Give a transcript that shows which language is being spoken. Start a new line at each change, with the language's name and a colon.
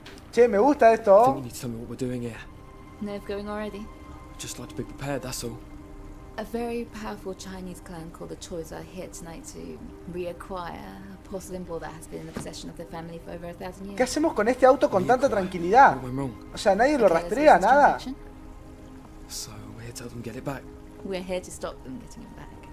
Spanish: Che, me gusta esto.
English: I think you need to tell me what we're doing here. Nerve going already? I'd just like to be prepared, that's all. A very powerful Chinese clan called the Choi are here tonight to reacquire a porcelain ball that has been in the possession of the family for over 1,000 years.
Spanish: ¿Qué hacemos con este auto con tanta tranquilidad?
English: Went wrong.
Spanish: O sea, nadie lo rastrea, nada.
English: So, we're here to help them get it back. We're here to stop them getting it back.